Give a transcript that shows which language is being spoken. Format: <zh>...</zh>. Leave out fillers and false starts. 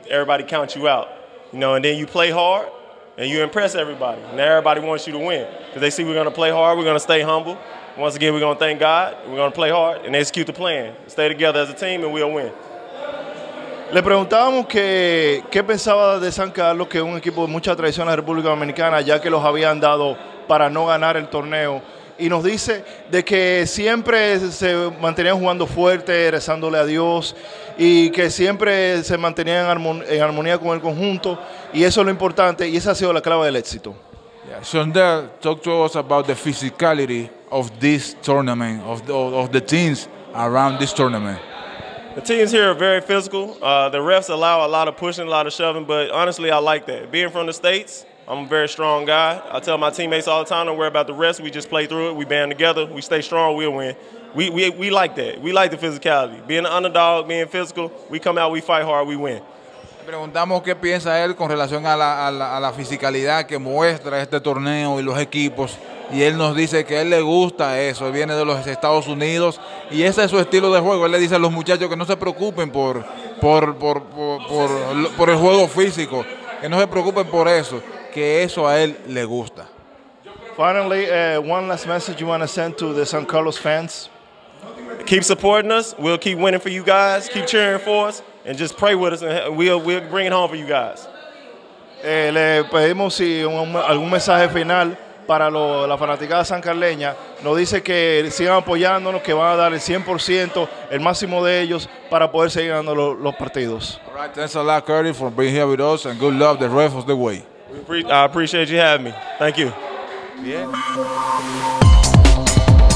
<en>Everybody counts you out, you know, and then you play hard, and you impress everybody. Now everybody wants you to win because they see we're going to play hard, we're going to stay humble. Once again, we're going to thank God, we're going to play hard and execute the plan. Stay together as a team, and we'll win.</en> <es>Le preguntábamos qué pensaba de San Carlos, que es un equipo de mucha tradición en la República Dominicana, ya que los habían dado para no ganar el torneo. Y nos dice de que siempre se mantenían jugando fuerte, rezándole a Dios, y que siempre se mantenían en armonía con el conjunto. Y eso es lo importante, y esa ha sido la clave del éxito.</es> <en>Yeah. Sondre, talk to us about the physicality of this tournament, of the teams around this tournament. The teams here are very physical. The refs allow a lot of pushing, a lot of shoving, but honestly, I like that. Being from the States, I'm a very strong guy. I tell my teammates all the time, don't worry about the refs. We just play through it. We band together. We stay strong. We'll win. We like that. We like the physicality. Being an underdog, being physical, we come out, we fight hard, we win.</en> <es>Le preguntamos qué piensa él con relación a la fisicalidad que muestra este torneo y los equipos. Y él nos dice que él le gusta eso, él viene de los Estados Unidos y ese es su estilo de juego. Él le dice a los muchachos que no se preocupen por el juego físico, que no se preocupen por eso, que eso a él le gusta.</es> <en>Finally, one last message you want to send to the San Carlos fans. Keep supporting us, we'll keep winning for you guys, keep cheering for us, and just pray with us, and we'll bring it home for you guys.</en> <es>Le pedimos si algún mensaje final. Para la fanaticada sancarleña, nos dice que sigan apoyándonos, que van a dar el 100%, el máximo de ellos, para poder seguir ganando los partidos.</es> <en>All right, thanks a lot, Curtis, for being here with us, and good luck, the ref of the way. I appreciate you having me. Thank you. Yeah.</en>